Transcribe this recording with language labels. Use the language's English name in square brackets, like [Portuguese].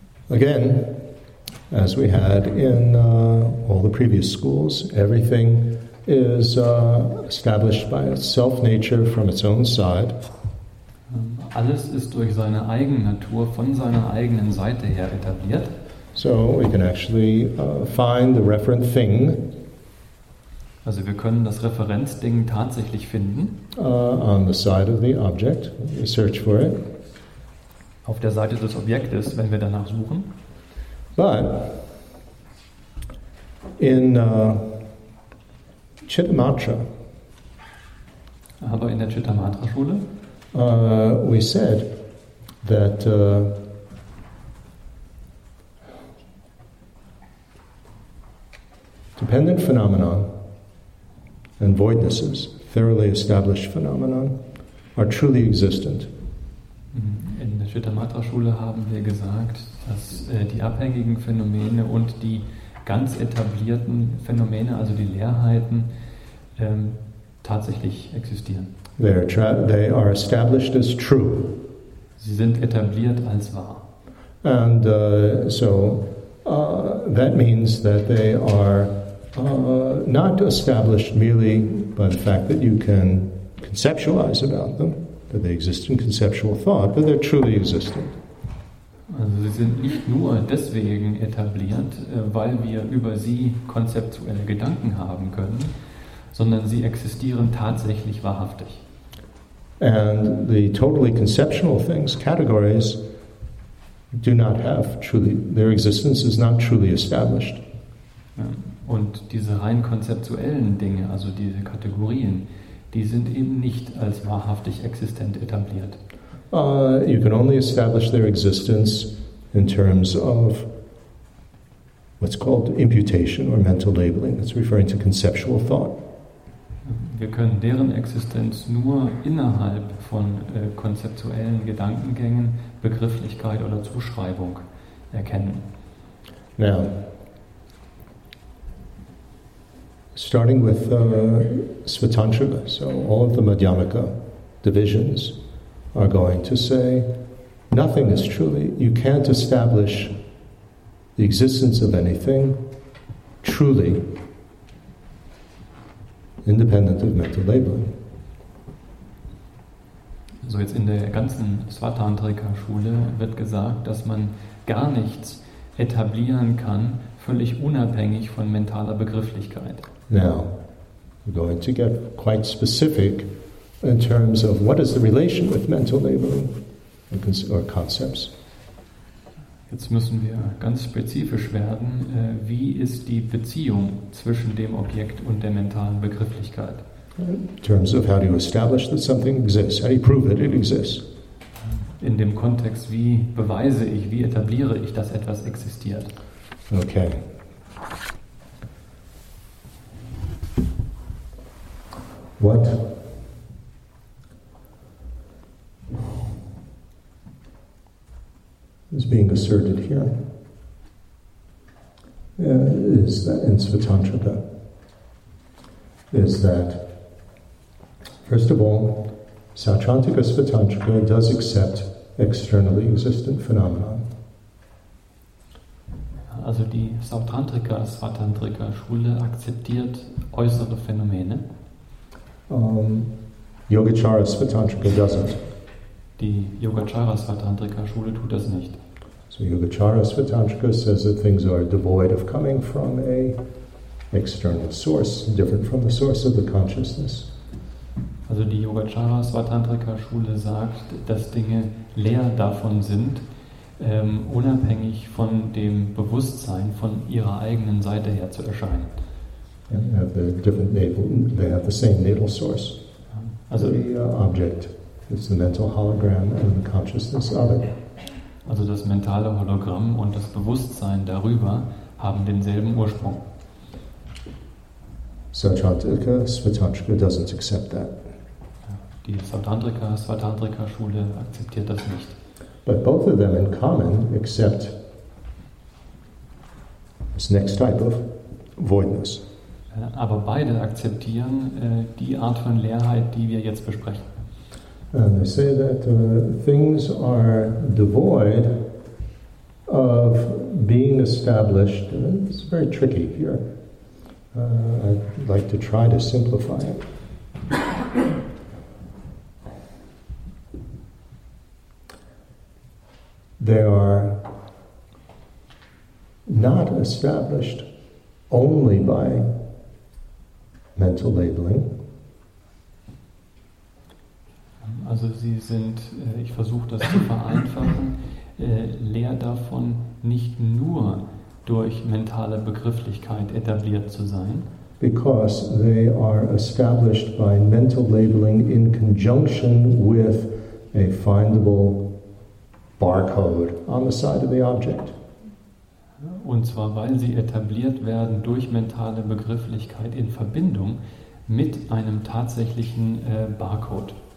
[English] Again, as we had in all the previous schools, everything is established by its self-nature from its own side. [German] Alles ist durch seine Eigennatur von seiner eigenen Seite her etabliert. [English] So we can actually find the referent thing. [German] Also wir können das Referenzding tatsächlich finden. [English] On the side of the object, we search for it. [German] Auf der Seite des Objektes, wenn wir danach suchen. [English] But in Chittamatra, [German] aber in der Chittamatra-Schule, [English] we said that dependent phenomenon and voidnesses, thoroughly established phenomenon, are truly existent. [German] Shvetamatra-Schule haben wir gesagt, dass die abhängigen Phänomene und die ganz etablierten Phänomene, also die Leerheiten, tatsächlich existieren. [English] They are established as true. [German] Sie sind etabliert als wahr. [English] And that means that they are not established merely by the fact that you can conceptualize about them, that they exist in conceptual thought, but they're truly existent. [German] Also sie sind nicht nur deswegen etabliert, weil wir über sie konzeptuelle Gedanken haben können, sondern sie existieren tatsächlich wahrhaftig. [English] And the totally conceptual things, categories, do not have truly, their existence is not truly established. [German] Und diese rein konzeptuellen Dinge, also diese Kategorien, die sind eben nicht als wahrhaftig existent etabliert. [English] You can only establish their existence in terms of what's called imputation or mental labeling. That's referring to conceptual thought. [German] Wir können deren Existenz nur innerhalb von konzeptuellen Gedankengängen, Begrifflichkeit oder Zuschreibung erkennen. [English] Now, starting with Svatantrika, so all of the Madhyamaka divisions are going to say, nothing is truly, you can't establish the existence of anything truly independent of mental labeling. [German] So jetzt in der ganzen Svatantrika-Schule wird gesagt, dass man gar nichts etablieren kann, völlig unabhängig von mentaler Begrifflichkeit. [English] Now, we're going to get quite specific in terms of what is the relation with mental labeling or concepts. [German] Jetzt müssen wir ganz spezifisch werden, wie ist die Beziehung zwischen dem Objekt und der mentalen Begrifflichkeit? [English] In terms of how do you establish that something exists? How do you prove that it exists? [German] In dem Kontext, wie beweise ich, wie etabliere ich, dass etwas existiert? [English] Okay. What? Is being asserted here is that in Svatantrika is that first of all Satrantika Svatantrika does accept externally existent phenomena. [German] Also die Satrantika Svatantrika Schule akzeptiert äußere Phänomene. [English] Yogacara Svatantrika doesn't. [German] Die Yogacara Svatantrika Schule tut das nicht. [English] So Yogacara Svatantrika says that things are devoid of coming from a external source, different from the source of the consciousness. [German] Also die Yogacara Svatantrika Schule sagt, dass Dinge leer davon sind, unabhängig von dem Bewusstsein von ihrer eigenen Seite her zu erscheinen. [English] They have the same natal source. [German] Also [English] the object, it's the mental hologram and the consciousness of it. [German] Also das mentale Hologramm und das Bewusstsein darüber haben denselben Ursprung. [English] Satantrika Svatantrika doesn't accept that. [German] Die Satantrika Svatantrika Schule akzeptiert das nicht. [English] But both of them in common accept this next type of voidness. [German] Aber beide akzeptieren die Art von Leerheit, die wir jetzt besprechen. [English] And they say that things are devoid of being established. It's very tricky here. I'd like to try to simplify it. They are not established only by mental labeling. [German] Also sie sind, ich versuche das zu vereinfachen, leer davon, nicht nur durch mentale Begrifflichkeit etabliert zu sein. [English] Because they are established by mental labeling in conjunction with a findable barcode on the side of the object. [German] Und zwar, weil sie etabliert werden durch mentale Begrifflichkeit in Verbindung mit einem tatsächlichen Barcode.